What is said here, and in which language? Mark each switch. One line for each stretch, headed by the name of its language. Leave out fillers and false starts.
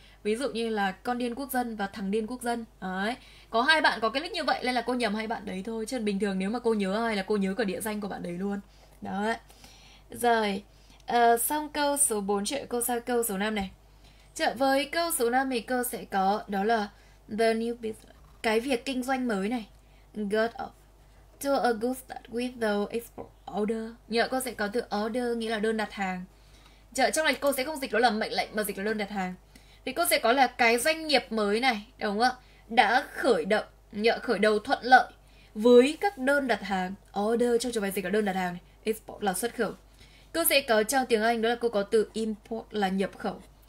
Vietnamese: Ví dụ như là con điên quốc dân và thằng điên quốc dân. Đấy. Có hai bạn có cái nick như vậy nên là cô nhầm hai bạn đấy thôi. Chứ bình thường nếu mà cô nhớ ai là cô nhớ cả địa danh của bạn đấy luôn. Đó. Rồi, xong câu số 4 chuyện cô sang câu số 5 này. Chợ với câu số 5 thì cô sẽ có đó là
English: the new business.
Vietnamese: Cái việc kinh doanh mới này.
English: Got off to a good start with the export order.
Vietnamese: Nhớ cô sẽ có từ order nghĩa là đơn đặt hàng. Chợ trong này cô sẽ không dịch đó là mệnh lệnh mà dịch là đơn đặt hàng. Thì cô sẽ có là cái doanh nghiệp mới này, đúng không ạ? Đã khởi động, nhờ khởi đầu thuận lợi với các đơn đặt hàng. Order trong trường bài dịch là đơn đặt hàng này. Export là xuất khẩu. Cô sẽ có trong tiếng Anh đó là cô có từ import là nhập khẩu.